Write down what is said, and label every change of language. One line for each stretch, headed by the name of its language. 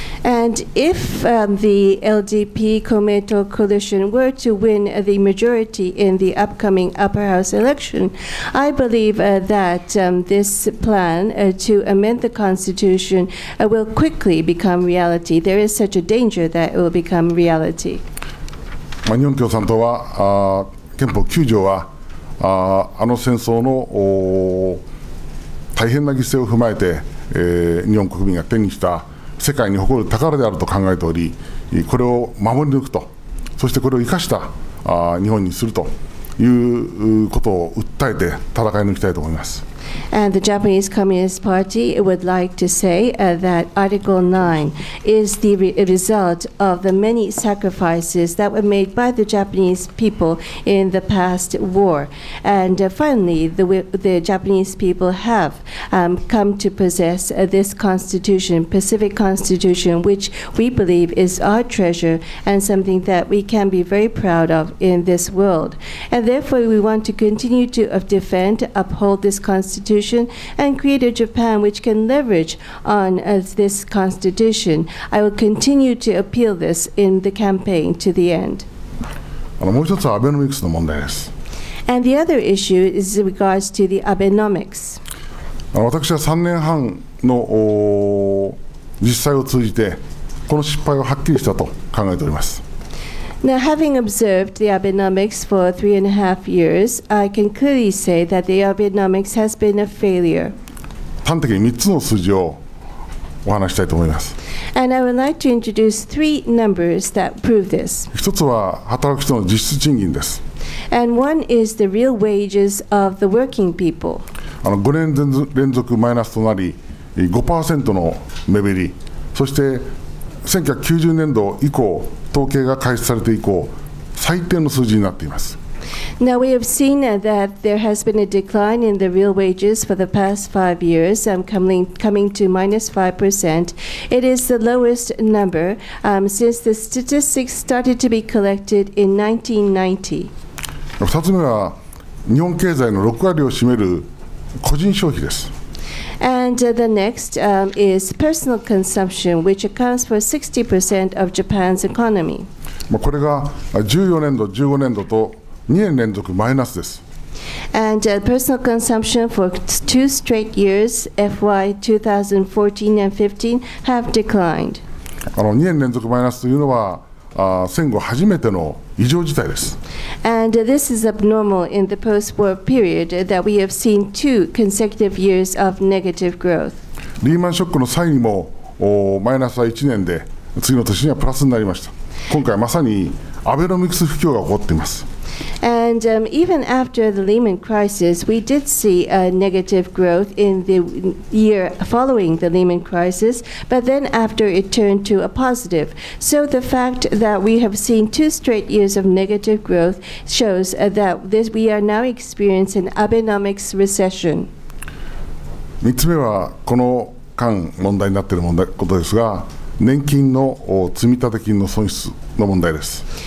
English: And if the LDP Kometo coalition were to win the majority in the upcoming upper house election, I believe that this plan to amend the constitution will quickly become reality. There is such a danger that it will become reality.
Japanese: 日本共産党は憲法9条はあの戦争の大変な犠牲を踏まえて日本国民が手にした世界に誇る宝であると考えておりこれを守り抜くとそしてこれを生かした日本にするということを訴えて戦い抜きたいと思います。
English: And the Japanese Communist Party would like to say that Article 9 is the result of the many sacrifices that were made by the Japanese people in the past war. And finally, the Japanese people have come to possess this constitution, Pacific Constitution, which we believe is our treasure and something that we can be very proud of in this world. And therefore, we want to continue to defend, uphold this constitution, and create a Japan which can leverage on this constitution. I will continue to appeal this in the campaign to the end.
Japanese: もう一つはアベノミクスの問題です。
English: And the other issue is in regards to the Abenomics.
Japanese: 私は3年半の実際を通じてこの失敗をはっきりしたと考えております。
English: Now, having observed the Abenomics for 3.5 years, I can clearly say that the Abenomics has been a failure.
Japanese: 端的に3つの数字をお話したいと思います。
English: And I would like to introduce three numbers that prove this.
Japanese: 一つは働く人の実質賃金です。
English: And one is the real wages of the working people.
Japanese: 5年連続マイナスとなり、5% の目減り、そして1990年度以降、統計が開始されて以降、最低の数字になっています。
English: Now we have seen that there has been a decline in the real wages for the past 5 years, coming to minus 5%. It is the lowest number since the statistics started to be collected in 1990.
Japanese: 二つ目は、日本経済の6割を占める個人消費です。
English: And the next is personal consumption, which accounts for 60% of Japan's economy.
Japanese: これが14年度、15年度と2年連続マイナスです。
English: And personal consumption for two straight years, FY 2014 and 15, have declined.
Japanese: 2年連続マイナスというのは、戦後初めての異常事態です。
English: And this is abnormal in the post-war period that we have seen two consecutive years of negative growth.
Japanese: リーマンショックの際にもマイナスは1年で、次の年にはプラスになりました。今回まさにアベノミクス不況が起こっています。
English: And even after the Lehman crisis, we did see a negative growth in the year following the Lehman crisis, but then after it turned to a positive. So the fact that we have seen two straight years of negative growth shows that this, we are now experiencing an Abenomics recession.
Japanese: 3つ目はこの間問題になっている問題ことですが、年金の積み立て金の損失の問題です。